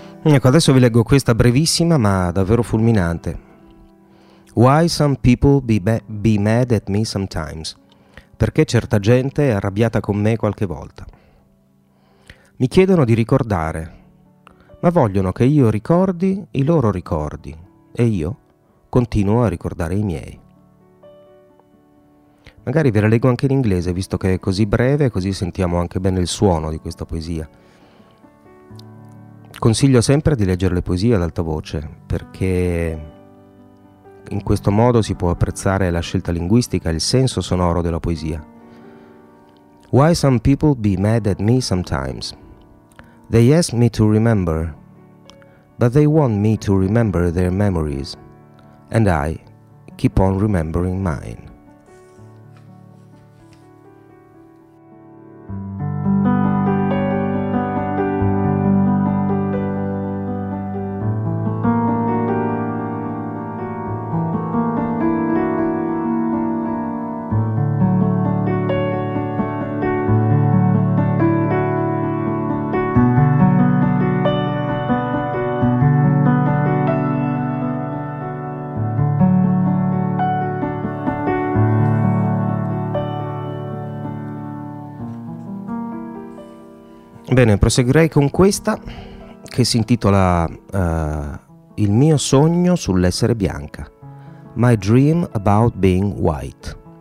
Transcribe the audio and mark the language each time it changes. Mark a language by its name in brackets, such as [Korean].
[Italian] Ecco, adesso vi leggo questa brevissima ma davvero fulminante. [English] Why some people be mad at me sometimes? [Italian] Perché certa gente è arrabbiata con me qualche volta. Mi chiedono di ricordare, ma vogliono che io ricordi i loro ricordi e io continuo a ricordare i miei. Magari ve la leggo anche in inglese, visto che è così breve, così sentiamo anche bene il suono di questa poesia. Consiglio sempre di leggere le poesie ad alta voce, perché in questo modo si può apprezzare la scelta linguistica, il senso sonoro della poesia. [English] Why some people be mad at me sometimes? They ask me to remember, but they want me to remember their memories, and I keep on remembering mine. [Italian] Bene, proseguirei con questa che si intitola Il mio sogno sull'essere bianca. [English] My dream about being white.